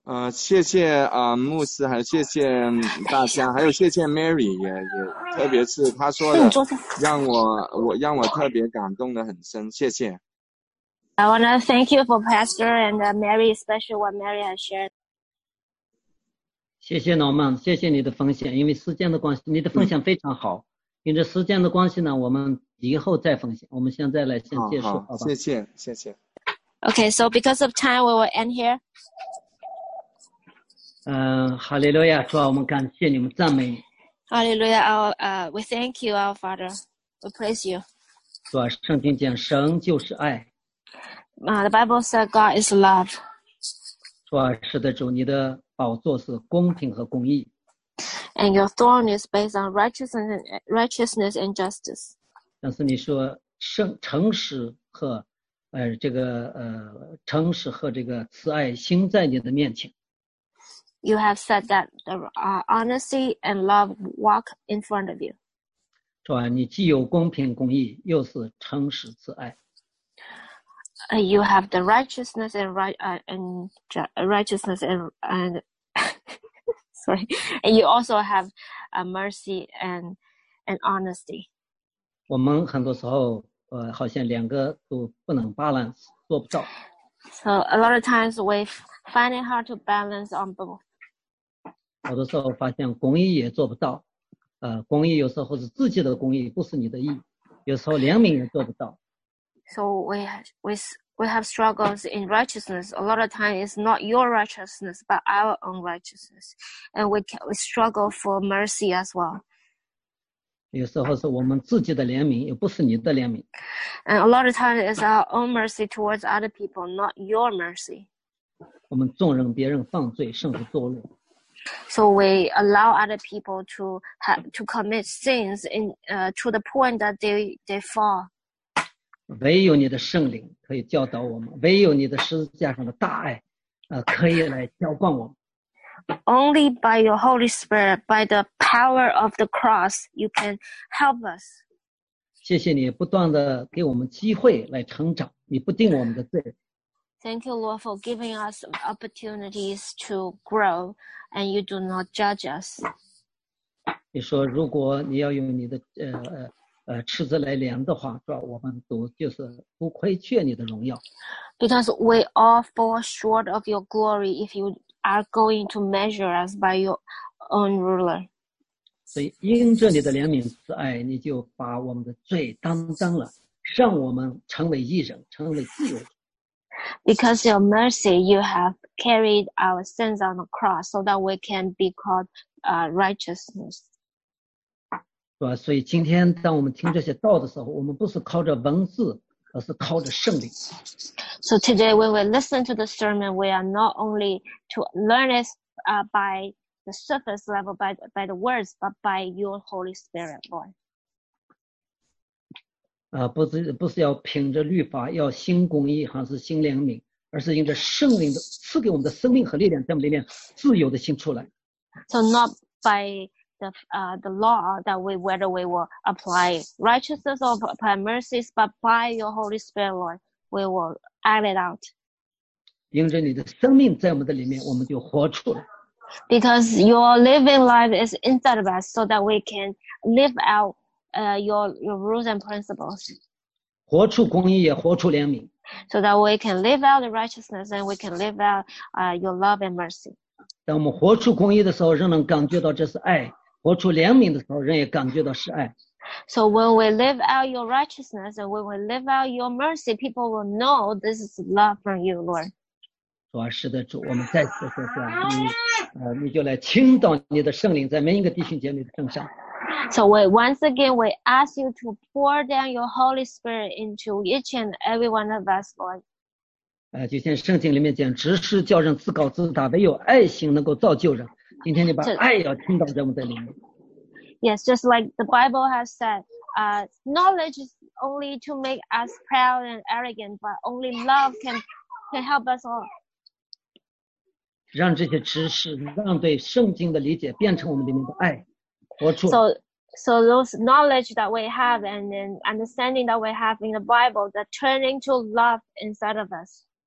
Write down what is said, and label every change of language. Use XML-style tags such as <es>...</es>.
<zh>谢谢牧师，还谢谢大家，还有谢谢 Mary 也特别是他说的让我特别感动的很深，谢谢。</zh> <en>I want to thank you for Pastor and Mary, especially what Mary has shared.</en> <zh>谢谢 Norman, 谢谢你的分享，因为时间的关系你的分享非常好，因为时间的关系呢我们以后再分享，我们现在来先结束。好吧，谢谢谢谢。</zh> <en>Okay, so because of time we will end here.</en> <zh>哈利路亚，主啊我们感谢你们赞美你。</zh> <en>Hallelujah, we thank you our Father, we praise you.</en> <zh>主啊，圣经讲神就是爱。</zh> <en>The Bible said God is love.</en> <zh>主啊，是的主，你的宝座是公平和公义。</zh> <en>And your throne is based on righteousness and justice.</en> <zh>但是你说诚实和这个诚实和这个慈爱行在你的面前。</zh> <en>You have said that the honesty and love walk in front of you.</en> <zh>主啊，你既有公平公义，又是诚实慈爱。</zh> <en>You have the righteousness and sorry, and you also have mercy and honesty.</en> <zh>我们很多时候，好像两个都不能 balance, 做不到。</zh> <en>So a lot of times we find it hard to balance on both.</en> <zh>好多时候发现公义也做不到，公义有时候是自己的公义，不是你的义，有时候怜悯也做不到。</zh> <en>So we have struggles in righteousness. A lot of times it's not your righteousness, but our own righteousness. And we struggle for mercy as well.</en> <zh>有时候是我们自己的怜悯，也不是你的怜悯。</zh> <en>And a lot of times it's our own mercy towards other people, not your mercy.</en> <zh>我们纵容别人犯罪，甚至堕落。</zh> <en>So we allow other people to commit sins to the point that they fall.</en> <zh>唯有你的圣灵可以教导我们，唯有你的十字架上的大爱，可以来浇灌我们。</zh> <en>Only by your Holy Spirit, by the power of the cross, you can help us.</en> <zh>谢谢你不断的给我们机会来成长，你不定我们的罪。</zh> <en>Thank you, Lord, for giving us opportunities to grow, and you do not judge us.</en> <zh>你说如果你要用你的斥责来量的话，主要我们都就是不亏缺你的荣耀。</zh> <en>Because we all fall short of your glory if you are going to measure us by your own ruler.</en> <zh>所以因着你的怜悯慈爱，你就把我们的罪担当了，让我们成为义人，成为自由。</zh> <en>Because your mercy, you have carried our sins on the cross so that we can be called righteousness.</en> <zh>对吧，所以今天当我们听这些道的时候，我们不是靠着文字，而是靠着圣灵。</zh> <en>So today when we listen to the sermon, we are not only to learn it by the surface level, by the words, but by your Holy Spirit, Lord.</en> <zh>不是要凭着律法，要心公义还是心怜悯，而是因着圣灵的赐给我们的生命和力量，在我们里面自由的心出来。</zh> <en>So not by... the law that we whether we will apply righteousness or apply mercies, but by your Holy Spirit, Lord, we will act it out.</en> <zh>因着你的生命在我们的里面，我们就活出来。</zh> <en>Because your living life is inside of us, so that we can live out your rules and principles.</en> <zh>活出公义，也活出怜悯。</zh> <en>So that we can live out the righteousness and we can live out your love and mercy.</en> <zh>当我们活出公义的时候，仍能感觉到这是爱；活出怜悯的时候，仍也感觉到是爱。</zh> <en>So when we live out your righteousness and when we live out your mercy, people will know this is love from you, Lord.</en> <zh>主啊，是的，主，我们再次说说，你就来倾倒你的圣灵在每一个弟兄姐妹的身上。</zh> <en>So we once again we ask you to pour down your Holy Spirit into each and every one of us, Lord.</en> <zh>就像圣经里面讲，执事叫人自高自大，唯有爱心能够造就人。今天你把爱要倾倒在我们的里面。</zh> <en>Yes, just like the Bible has said, knowledge is only to make us proud and arrogant, but only love can help us all.</en> <zh>让这些知识，让对圣经的理解变成我们里面的爱，活出。</zh> <en>So those knowledge that we have and then understanding that we have in the Bible, that turning to love inside of us.</en>